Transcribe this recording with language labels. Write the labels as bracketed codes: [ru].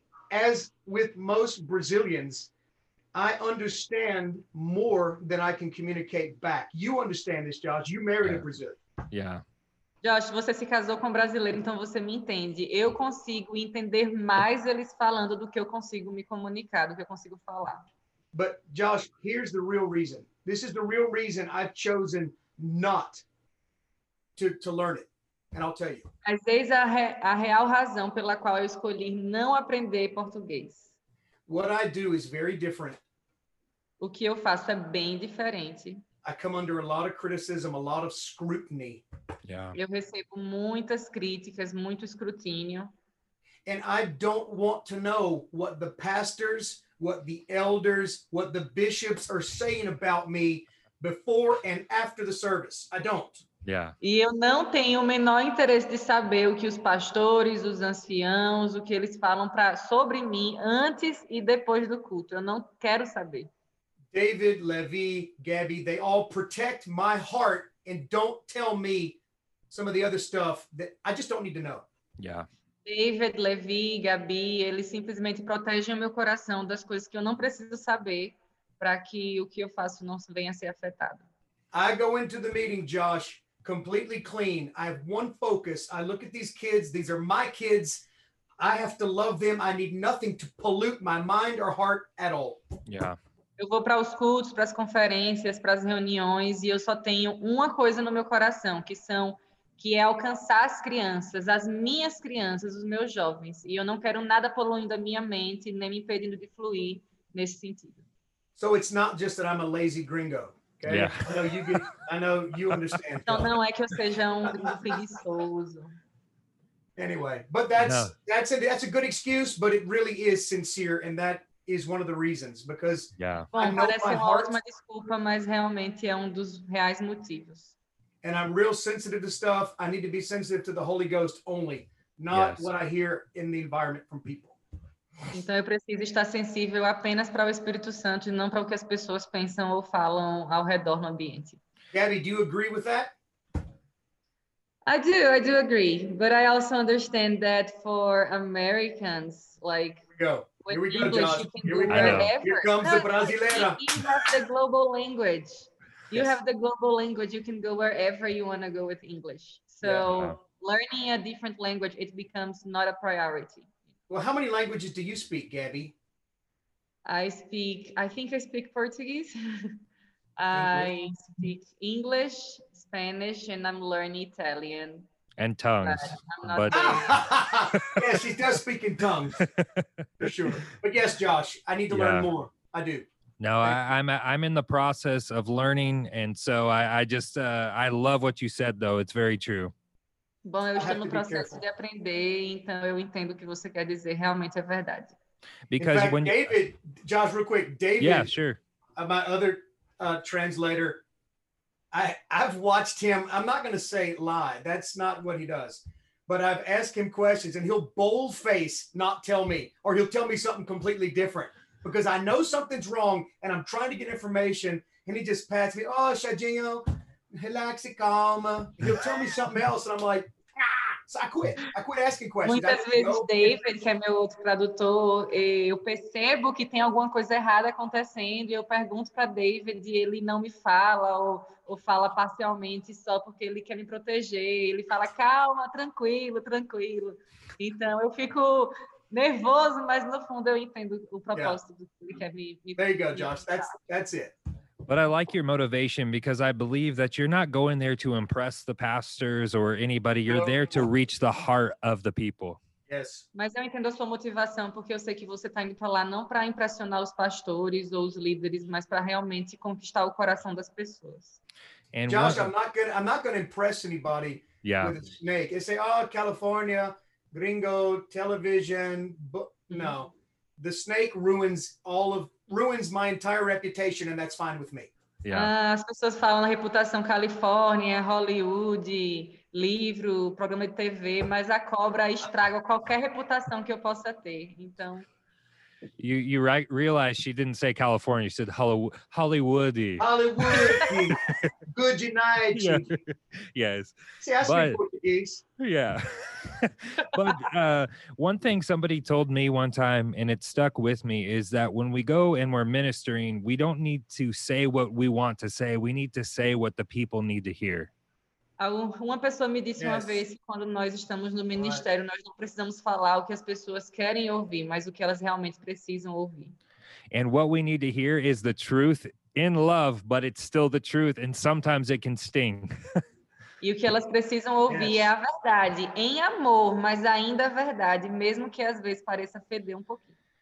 [en] As with most Brazilians, I understand more than I can communicate back. You understand this, Josh, you married a Brazilian. Yeah. [pt] Josh, você se casou com um brasileiro, então você me entende. Eu consigo entender mais eles falando do que eu consigo me comunicar, do que eu consigo falar. [en] But Josh, here's the real reason. This is the real reason I've chosen not to learn it. And I'll tell you. [pt] Mas eis a real razão pela qual eu escolhi não aprender português. [en] What I do is very different. [pt] O que eu faço é bem diferente. [en] I come under a lot of criticism, a lot of scrutiny. Yeah. [pt] Eu recebo muitas críticas, muito escrutínio. [en] And I don't want to know what the pastors, what the elders, what the bishops are saying about me before and after the service. I don't. Yeah. [pt] E eu não tenho o menor interesse de saber o que os pastores, os anciãos, o que eles falam sobre mim antes e depois do culto. Eu não quero saber. [en] David, Levi, Gabby, they all protect my heart and don't tell me some of the other stuff that I just don't need to know. Yeah. [pt] David, Levi, Gabby, eles simplesmente protegem o meu coração das coisas que eu não preciso saber para que o que eu faço não venha a ser afetado. [en] I go into the meeting, Josh, completely clean. I have one focus. I look at these kids. These are my kids. I have to love them. I need nothing to pollute my mind or heart at all. Yeah. [pt] Eu vou para os cultos, para as conferências, para as reuniões e eu só tenho uma coisa no meu coração, que é alcançar as crianças, as minhas crianças, os meus jovens. E eu não quero nada poluindo a minha mente, nem me impedindo de fluir nesse sentido. [en] So it's not just that I'm a lazy gringo, okay? Yeah. I know you understand. [pt] Então não é que eu seja gringo preguiçoso. [en] Anyway, but that's a good excuse, but it really is sincere and that is one of the reasons because and I'm real sensitive to stuff. I need to be sensitive to the Holy Ghost only, not what I hear in the environment from people. [pt] Então eu preciso estar sensível apenas para o Espírito Santo e não para o que as pessoas pensam ou falam ao redor no ambiente. [en] Gabby, do you agree with that? I do agree, but I also understand that for Americans, like, here we go. With here we English, go, Josh. Here, we go. Here comes the brasileira. You have the global language. You have the global language. You can go wherever you want to go with English. So learning a different language, it becomes not a priority. Well, how many languages do you speak, Gabby? I think I speak Portuguese. I speak English, Spanish, and I'm learning Italian. And tongues. Yeah, she does speak in tongues, for sure. But yes, Josh, I need to learn more. I do. No, I'm in the process of learning, and so I love what you said, though. It's very true. [pt] Bom, eu estou no processo de aprender, então eu entendo o que você quer dizer. Realmente é verdade. [en] Because in fact, Josh, real quick, David. Yeah, sure. My other translator. I've watched him, I'm not going to say lie, that's not what he does, but I've asked him questions and he'll boldface not tell me, or he'll tell me something completely different because I know something's wrong and I'm trying to get information and he just pats me, oh, Shajinho, relax, calma. He'll tell me something else and I'm like, so I quit asking questions. [pt] Muitas vezes, David, que é meu outro tradutor, eu percebo que tem alguma coisa errada acontecendo e eu pergunto para David e ele não me fala ou fala parcialmente só porque ele quer me proteger. Ele fala, calma, tranquilo, tranquilo. Então, eu fico nervoso, mas no fundo eu entendo o propósito do que ele quer me proteger. [en] There you go, Josh. That's it. But I like your motivation because I believe that you're not going there to impress the pastors or anybody. You're there to reach the heart of the people. Yeah, Yes. [pt] Mas eu entendo a sua motivação, porque eu sei que você está indo para lá não para impressionar os pastores ou os líderes, mas para realmente conquistar o coração das pessoas. [en] And Josh, I'm not gonna impress anybody with a snake. They say, oh, California, gringo, television. No, the snake ruins my entire reputation, and that's fine with me. Yeah. [pt] As pessoas falam na reputação Califórnia, Hollywood, livro, programa de TV, mas a cobra estraga qualquer reputação que eu possa ter. Então. [en] You realize she didn't say California, she said Hollywood. Hollywood. Good night. Yeah. Yes. See, but, Portuguese. Yeah. But one thing somebody told me one time, and it stuck with me, is that when we go and we're ministering, we don't need to say what we want to say. We need to say what the people need to hear. [pt] Uma pessoa me disse uma vez que quando nós estamos no ministério, nós não precisamos falar o que as pessoas querem ouvir, mas o que elas realmente precisam ouvir. [en] And what we need to hear is the truth in love, but it's still the truth, and sometimes it can sting. [pt] E o que elas precisam ouvir é a verdade, em amor, mas ainda a verdade, mesmo que às vezes pareça feder um pouquinho.